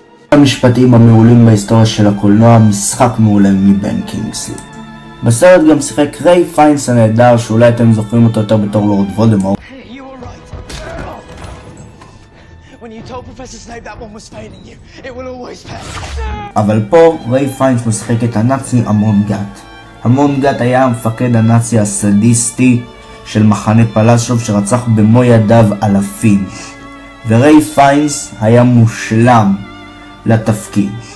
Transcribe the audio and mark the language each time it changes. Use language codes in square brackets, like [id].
[he] המשפטים המעולים בהיסטוריה של הקולנוע, משחק מעולה מבן קינגסלי. בסרט גם שיחק ריי פיינס הנהדר, שאולי אתם זוכרים אותו יותר בתור לורד וולדמורט. [en] Hey, you were right. When you told Professor Snape that one was failing you, it will always pass. [he] אבל פה ריי פיינס משחק את הנאצי אמון גאט. אמון גאט היה המפקד הנאצי הסדיסטי של מחנה פלאשוב, שרצח במו ידיו אלפים. וריי פיינס היה מושלם לתפקיד.